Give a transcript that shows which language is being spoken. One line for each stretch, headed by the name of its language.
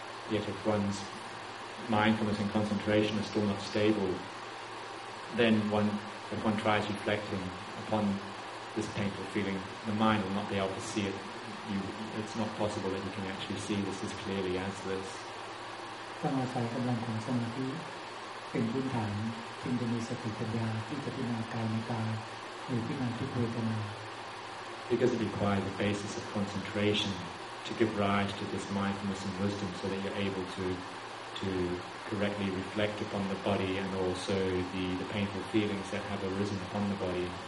English: Yet if one's mindfulness and concentration are still not stable, then one, if one tries reflecting upon this painful feeling, the mind will not be able to see it. It's not possible that you can actually see this as clearly as this.
Thai: ต้องอาศัยกำลังของสมาธิเป็นพื้นฐานจึงจะมีสติปัญญาที่จะพิจารณากายในกายหรือพิจารณาทุกข์เวทนา
English: Because it requires the basis of concentration to give rise to this mindfulness and wisdom, so that you're able to correctly reflect upon the body and also the painful feelings that have arisen upon the body.